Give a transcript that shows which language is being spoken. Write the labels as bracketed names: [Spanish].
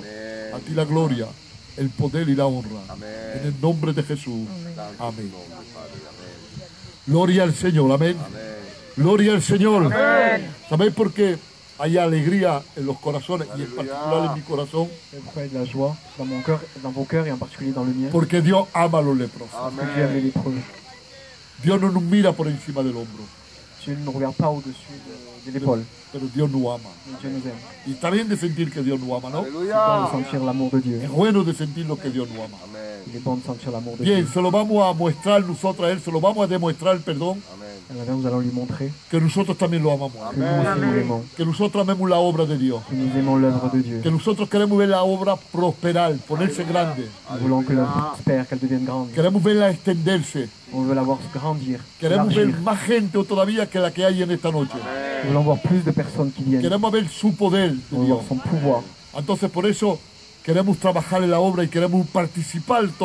[Spanish] Amén. A ti la gloria, el poder y la honra. Amén. En el nombre de Jesús. Amén. Amén. Gloria al Señor. Amén. Amén. Gloria al Señor. Amén. ¿Sabéis por qué hay alegría en los corazones? Aleluya. Y en particular en mi corazón. [French] Pourquoi il y a de la joie dans mon cœur, dans vos cœurs et en particulier dans le mien? [Spanish] Porque Dios ama a los lepros. Amén. Dios no nos mira por encima del hombro. [French] Dieu ne nous regarde pas au-dessus de l'épaule. [Spanish] Pero Dios nos ama. [French] Dieu nous aime. [Spanish] Y está bien de sentir que Dios nos ama, ¿no? [French] Bon de sentir l'amour de Dieu. [Spanish] Es bueno de sentir lo que Dios nos ama. Amén. [French] Il est bon de sentir l'amour de bien, Dieu. [Spanish] Se lo vamos a mostrar nosotros a Él, se lo vamos a demostrar, perdón. Amén. [French] Alors, nous allons lui montrer [Spanish] que nosotros también lo amamos. [French] Que, amén. Nous, amén. Nous, [Spanish] que nosotros amemos la obra de Dios. [French] Que, nous aimons l'œuvre de Dieu. [Spanish] Que nosotros queremos ver la obra prosperar, ponerse, aleluya, grande. [French] Nous voulons que l'œuvre prospère, qu'elle devienne grande. [Spanish] Queremos verla extenderse. [French] On veut la voir grandir, [Spanish] queremos ver más gente todavía que la que hay en esta noche. Queremos ver más de personas que vienen. Queremos ver su poder, [French] su pouvoir. [Spanish] Entonces, por eso queremos trabajar en la obra y queremos participar todos.